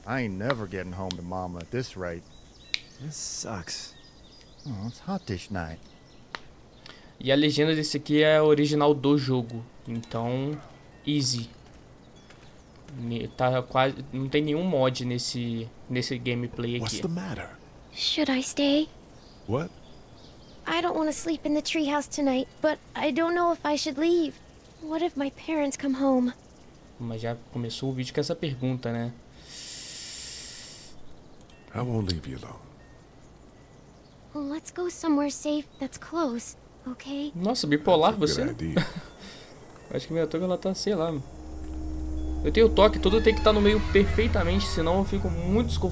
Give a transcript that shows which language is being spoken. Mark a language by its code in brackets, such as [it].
[en] I ain't never getting home to mama at this rate. This sucks. Oh, it's hot dish night. [pt] E a legenda desse aqui é a original do jogo. Então, easy. Tá quase, não tem nenhum mod nesse gameplay [en] What's [pt] aqui. [en] the matter? Should I stay? What? I don't want to sleep in the treehouse tonight, but I don't know if I should leave. What if my parents come home? [pt] Mas já começou o vídeo com essa pergunta, né? [en] I won't leave you alone. Let's go somewhere safe that's close, okay? [pt] Nossa, bipolar você, né? Acho que minha toca ela tá, sei lá. Eu tenho o toque, tudo tem que estar no meio perfeitamente, senão eu fico muito